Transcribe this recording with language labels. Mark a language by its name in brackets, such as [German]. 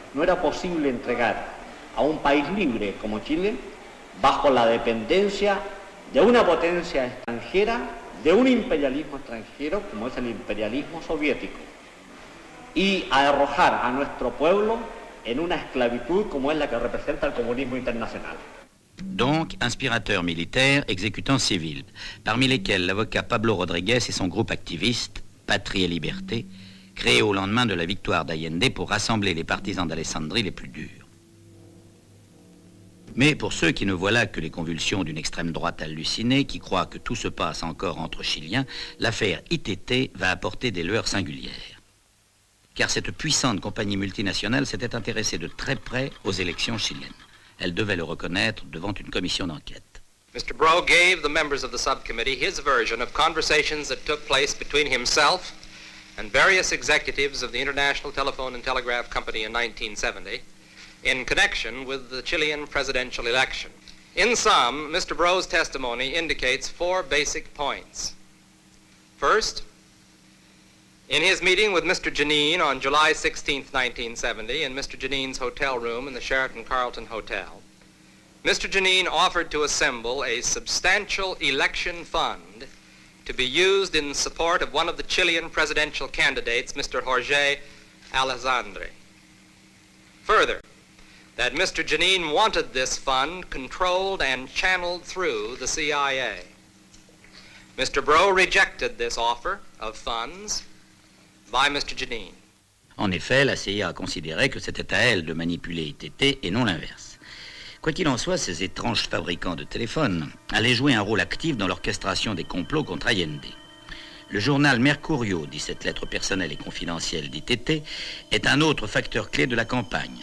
[Spanish] No era posible entregar a un país libre como Chile bajo la dependencia de una potencia extranjera, de un imperialismo extranjero como es el imperialismo soviético, y arrojar a nuestro pueblo en una esclavitud como es la que representa el comunismo internacional. [French] Donc, inspirateur militaire, exécutant civil, parmi lesquels l'avocat Pablo Rodriguez et son groupe activiste, Patrie et Liberté, créé au lendemain de la victoire d'Allende pour rassembler les partisans d'Alessandri les plus durs. Mais pour ceux qui ne voient là que les convulsions d'une extrême droite hallucinée, qui croient que tout se passe encore entre Chiliens, l'affaire ITT va apporter des lueurs singulières. Car cette puissante compagnie multinationale s'était intéressée de très près aux élections chiliennes. Elle devait le reconnaître devant une commission d'enquête. [English] Mr. Bro gave the members of the subcommittee his version of conversations that took place between himself and various executives of the International Telephone and Telegraph Company in 1970 in connection with the Chilean presidential election. In sum, Mr. Bro's testimony indicates four basic points. First, in his meeting with Mr. Janine on July 16, 1970, in Mr. Janine's hotel room in the Sheraton Carlton Hotel, Mr. Janine offered to assemble a substantial election fund to be used in support of one of the Chilean presidential candidates, Mr. Jorge Alessandri. Further, that Mr. Janine wanted this fund controlled and channeled through the CIA. Mr. Bro rejected this offer of funds by Mr. Janine. [French] En effet, la CIA a considéré que c'était à elle de manipuler ITT et non l'inverse. Quoi qu'il en soit, ces étranges fabricants de téléphones allaient jouer un rôle actif dans l'orchestration des complots contre Allende. Le journal Mercurio, 17 lettres personnelles et confidentielles d'ITT, est un autre facteur clé de la campagne.